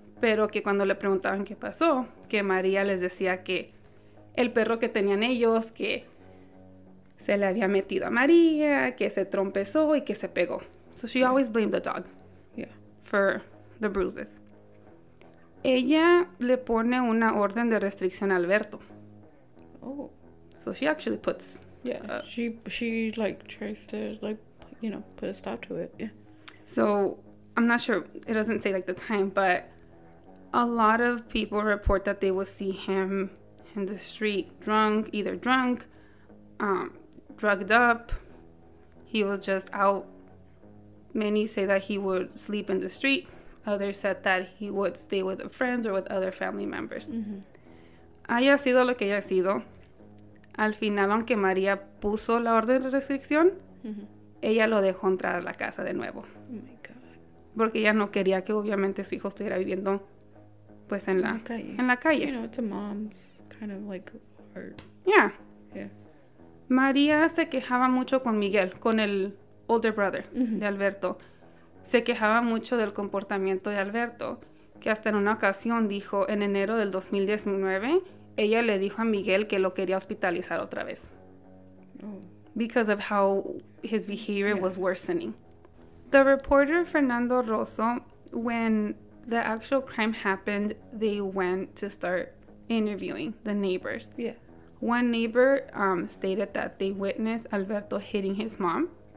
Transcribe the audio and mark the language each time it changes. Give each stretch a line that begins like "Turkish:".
Spanish: Pero que cuando le preguntaban qué pasó, que María les decía que el perro que tenían ellos, que se le había metido a María, que se trompezó y que se pegó.
English: So she always blamed the dog. Yeah. For the bruises.
Spanish: Ella le pone una orden de restricción a Alberto.
English: Oh. So she actually puts... Yeah, she like tries to, like, you know, put a stop to it. Yeah. So, I'm not sure, it doesn't say like the time, but a lot of people report that they will see him in the street drunk, either drunk, drugged up. He was just out. Many say that he would sleep in the street. Others said that he would stay with friends or with other family members. Mm-hmm.
Spanish: Haya sido lo que haya sido. Al final, aunque María puso la orden de restricción, mm-hmm. ella lo dejó entrar a la casa de nuevo.
English: Oh my God.
Spanish: Porque ella no quería que obviamente su hijo estuviera viviendo pues en la calle.
English: You know, it's a mom's kind of like heart. Yeah. Yeah.
Spanish: María se quejaba mucho con Miguel, con el
English: older brother
Spanish: mm-hmm. de Alberto. Se quejaba mucho del comportamiento de Alberto, que hasta en una ocasión dijo en enero del 2019... Ella le dijo a Miguel que lo quería hospitalizar otra vez.
English: Oh. Because of how his behavior yeah. was worsening. The reporter Fernando Rosso, when the actual crime happened, they went to start interviewing the neighbors. Yeah. One neighbor stated that they witnessed Alberto hitting his mom.